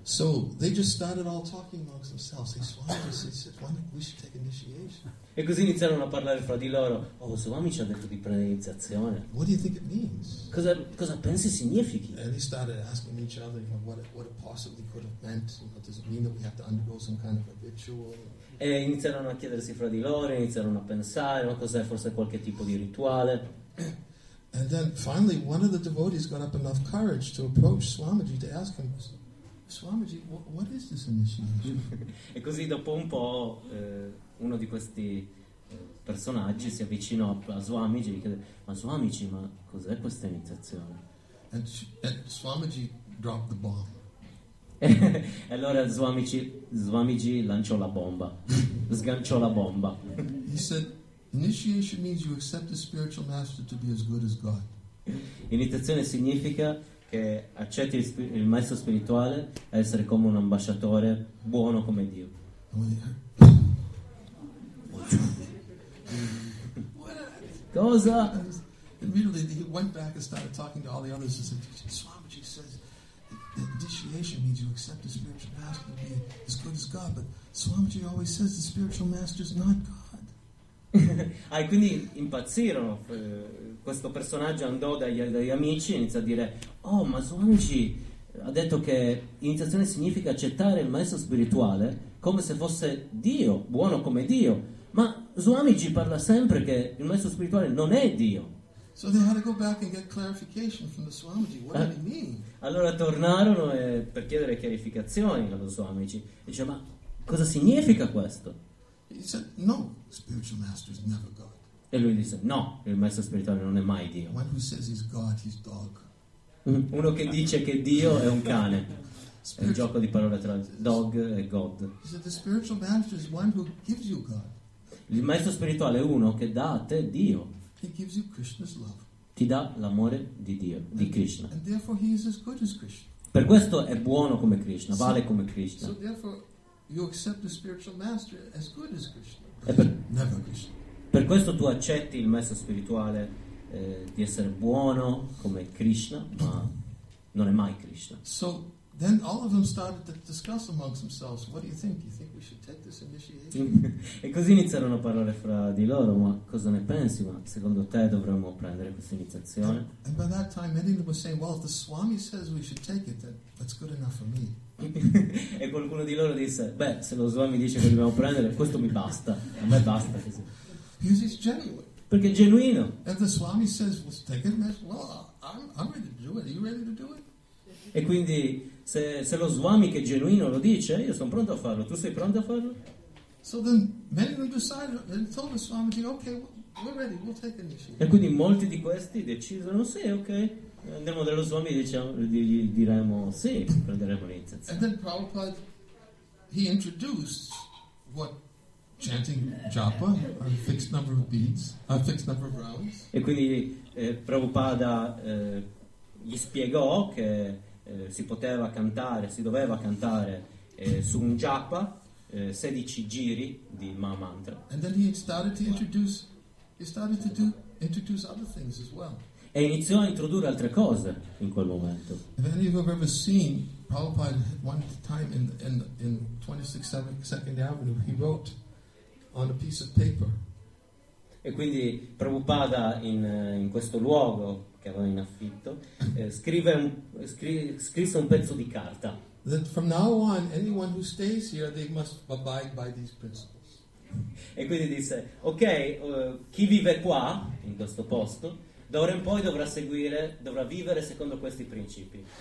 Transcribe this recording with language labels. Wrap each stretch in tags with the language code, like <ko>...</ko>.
<en>So they just started all talking amongst themselves. Hey, Swamiji said, why don't we should take initiation?</en> <it>E così iniziarono a parlare fra di loro. Oh, Swami ci ha detto di prendere l'iniziazione.</it> <en>What do you think it means?</en> <it>Cosa pensi significhi?</it> <en>And they started asking each other, you know, what it possibly could have meant. What does it mean that we have to undergo some kind of a ritual?</en> <it>E iniziarono a chiedersi fra di loro, iniziarono a pensare, ma cos'è, forse qualche tipo di rituale.</it> <en>And then finally one of the devotees got up enough courage to approach Swamiji to ask him, Swamiji, what is this initiation?</en> <it>E così dopo un po' uno di questi personaggi si avvicinò a Swamiji e chiede, ma Swamiji, ma cos'è questa iniziazione?</it> <en>And Swamiji dropped the bomb.</en> <it>E allora Swamiji lanciò la bomba, sganciò la bomba.</it> <en>He said, initiation means you accept the spiritual master to be as good as God.</en> <it>Iniziazione significa che accetti il maestro spirituale a essere come un ambasciatore buono come Dio. Cosa?</it> <en>Immediately he went back and started talking to all the others and said, Swamiji says that initiation means you accept the spiritual master to be as good as God, but Swamiji always says the spiritual master is not God.</en> <it>Ah, quindi impazzirono. Questo personaggio andò dagli amici e inizia a dire: oh, ma Swamiji ha detto che iniziazione significa accettare il maestro spirituale come se fosse Dio, buono come Dio, ma Swamiji parla sempre che il maestro spirituale non è Dio.</it> <en>So they had to go back and get clarification from the Swamiji. What did he mean?</en> <it>Allora tornarono per chiedere chiarificazioni allo Swamiji. Dice: ma cosa significa questo?</it> <en>He said, no, spiritual master is never God.</en> <it>E lui disse: no, il maestro spirituale non è mai Dio.</it> <en>One who says he's God, he's dog.</en> <it>Uno che dice che Dio è un cane. È un gioco di parole tra dog e God.</it> <en>He said, the spiritual master is one who gives you God.</en> <it>Il maestro spirituale è uno che dà a te Dio.</it> <en>He gives you Krishna's love.</en> <it>Ti dà l'amore di Dio, di Krishna.</it> <en>And therefore he is as good as Krishna.</en> <it>Per questo è buono come Krishna, vale come Krishna.</it> <en>So therefore you accept the spiritual master as good as Krishna. But never Krishna.</en> <it>Per questo tu accetti il maestro spirituale di essere buono come Krishna, ma non è mai Krishna.</it> <en>So then all of them started to discuss amongst themselves. What do you think? You think we should take this initiation?</en> <it>E così iniziarono a parlare fra di loro. Ma cosa ne pensi? Ma secondo te dovremmo prendere questa iniziazione?</it> <en>And by that time, many of them were saying, "Well, if the Swami says we should take it, then that's good enough for me."</en> <it>E qualcuno di loro disse: beh, se lo Swami dice che dobbiamo prendere, questo mi basta, a me basta così.</it> <en>He's genuine.</en> <it>Perché è genuino.</it> <en>And the Swami says, well, take it, well, I'm ready to do it. Are you ready to do it?</en> <it>E quindi se lo Swami, che è genuino, lo dice, io sono pronto a farlo, tu sei pronto a farlo?</it> <en>So then many of them decided and told the Swami, okay, we're ready, we'll take initiative.</en> <it>E quindi molti di questi decisero: sì, ok, andremo dallo Swami, gli diremo sì, prenderemo l'iniziazione.</it> <en>And then Prabhupada, he introduced what chanting japa, a fixed number of beads, a fixed number of rounds.</en> <it>E quindi Prabhupada gli spiegò che si poteva cantare, si doveva cantare su un japa 16 giri di Maha Mantra.</it> <en>And then he started to introduce other things as well.</en> <it>E iniziò a introdurre altre cose in quel momento.</it> <en>If any of you have ever seen Prabhupada one time in 22nd Avenue, he wrote on a piece of paper.</en> <it>E quindi Prabhupada in questo luogo che aveva in affitto scrisse un pezzo di carta.</it> <en>That from now on, anyone who stays here, they must abide by these principles.</en> <it>E quindi disse: ok, chi vive qua in questo posto d'ora in poi dovrà vivere secondo questi principi.</it>